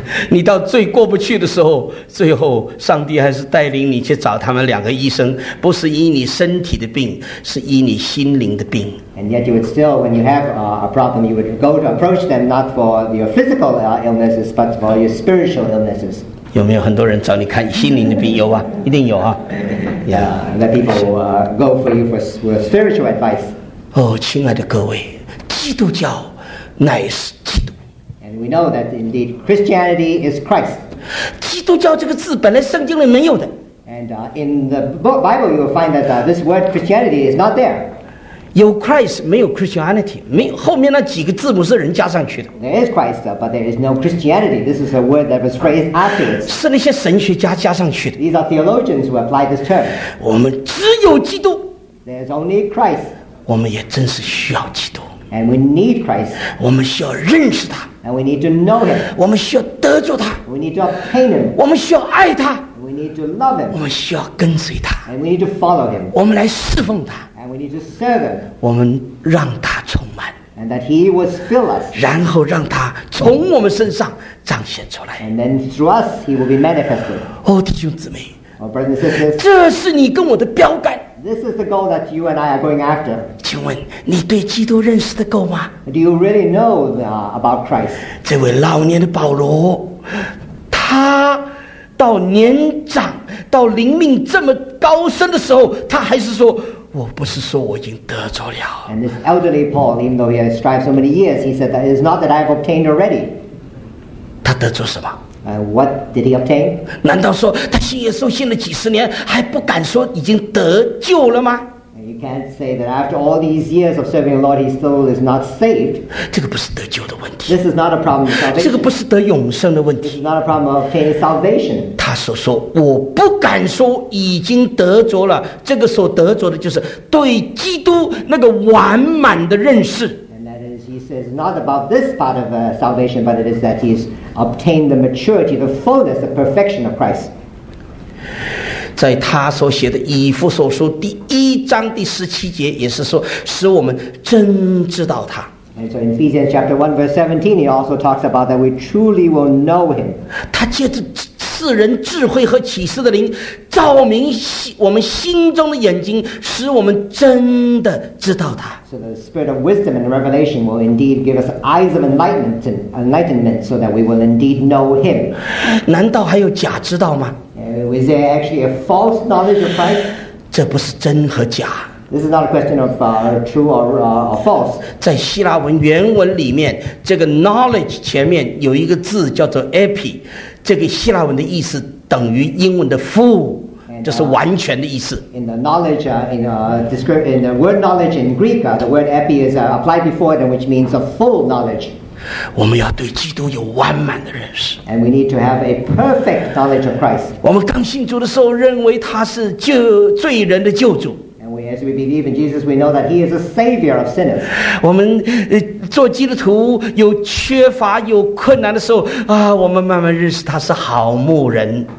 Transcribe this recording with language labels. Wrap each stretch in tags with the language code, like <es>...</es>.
<zh>你到最过不去的时候，最后上帝还是带领你去找他们两个医生，不是医你身体的病，是医你心灵的病。</zh> <en>And yet you would still, when you have a problem, you would go to approach them not for your physical illnesses, but for your spiritual illnesses.</en> <zh>有没有很多人找你看心灵的病？有啊，一定有啊。</zh> <en>Yeah, that people will go for you for spiritual advice.</en> <zh>哦，亲爱的各位，基督教乃是基督。</zh> <en>We know that indeed Christianity is Christ.</en> <zh>基督教这个字本来圣经里没有的。</zh> <en>And in the Bible, you will find that this word Christianity is not there.</en> <zh>有 Christ 没有 Christianity， 没有后面那几个字母是人加上去的。</zh> <en>There is Christ, but there is no Christianity. This is a word that was phrased afterwards.</en> <zh>是那些神学家加上去的。</zh> <en>These are theologians who apply this term.</en> <zh>我们只有基督。</zh> <en>There is only Christ.</en> <zh>我们也真是需要基督。</zh> <en>And we need Christ.</en> <zh>我们需要认识他。</zh> <en>And we need to know him.</en> <zh>我们需要得着他。</zh> <en>We need to obtain him.</en> <zh>我们需要爱他。</zh> <en>We need to love him.</en> <zh>我们需要跟随他。</zh> <en>And we need to follow him.</en> <zh>我们来侍奉他。</zh> <en>And we need to serve him.</en> <zh>我们让他充满。</zh> <en>And that he would fill us.</en> <zh>然后让他从我们身上彰显出来。</zh> <en>And then through us he will be manifested.</en> <zh>哦，弟兄姊妹。</zh> <en>Oh, brothers and sisters.</en> <zh>这是你跟我的标杆。</zh> <en>This is the goal that you and I are going after.</en> <zh>请问你对基督认识的够吗？</zh> <en>Do you really know about Christ?</en> <zh>这位老年的保罗，他到年长，到灵命这么高深的时候，他还是说，我不是说我已经得着了。</zh> <en>And this elderly Paul, even though he has strived so many years, he said that it is not that I have obtained already.</en> <zh>他得着什么？</zh> <en>What did he obtain?</en> <zh>难道说他信耶稣信了几十年还不敢说已经得救了吗？</zh> <en>You can't say that after all these years of serving the Lord, he still is not saved.</en> <zh>这个不是得救的问题。</zh> <en>This is not a problem of salvation.</en> <zh>这个不是得永生的问题。</zh> <en>This is not a problem of obtaining salvation.</en> <zh>他所说我不敢说已经得着了，这个所得着的就是对基督那个完满的认识。</zh> <en>It's not about this part of salvation, but it is that he's obtained the maturity, the fullness, the perfection of Christ.</en> <zh>在他所写的以弗所书第一章第十七节，也是说使我们真知道他。</zh> <en>And so in Ephesians chapter 1 verse 17, he also talks about that we truly will know him.</en> <zh>他借着赐人智慧和启示的灵，照明我们心中的眼睛，使我们真的知道他。</zh> <en>So the spirit of wisdom and revelation will indeed give us eyes of enlightenment, so that we will indeed know him.</en> <zh>难道还有假知道吗？</zh> <en>Is there actually a false knowledge of Christ?</en> <zh>这不是真和假。</zh> <en>This is not a question of true or false.</en> <zh>在希腊文原文里面，这个 knowledge 前面有一个字叫做 epi， 这个希腊文的意思等于英文的 full， 就是完全的意思。</zh> <en>In the knowledge, in the word knowledge in Greek, the word epi is applied before it, which means a full knowledge.</en> <zh>我们要对基督有完满的认识。</zh> <en>And we need to have a perfect knowledge of Christ.</en> <zh>我们刚信主的时候，认为他是救罪人的救主。</zh> <en>As we believe in Jesus, we know that He is a savior of sinners.</en> <zh>我们做基督徒有缺乏、有困难的时候啊，我们慢慢认识他是好牧人。</zh>